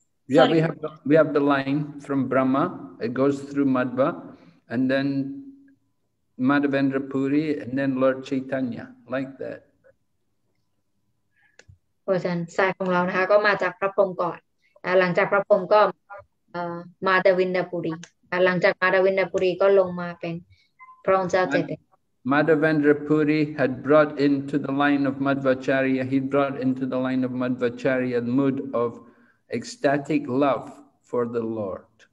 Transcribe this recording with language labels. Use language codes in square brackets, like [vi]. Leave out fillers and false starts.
[en] We have the line from Brahma. It goes through Madhva, and then Madhavendra Puri, and then Lord Chaitanya, like that. Then side [th] ของเรานะคะก็มาจากพระพรหมก่อนหลังจากพระพรหมก็มาดาวินดาปุรีหลังจากมาดาวินดาปุรีก็ลงมาเป็นพระองค์เจ้าเจต [en] Madhavendra Puri had brought into the line of Madhvacharya, he brought into the line of Madhvacharya the mood of ecstatic love for the Lord.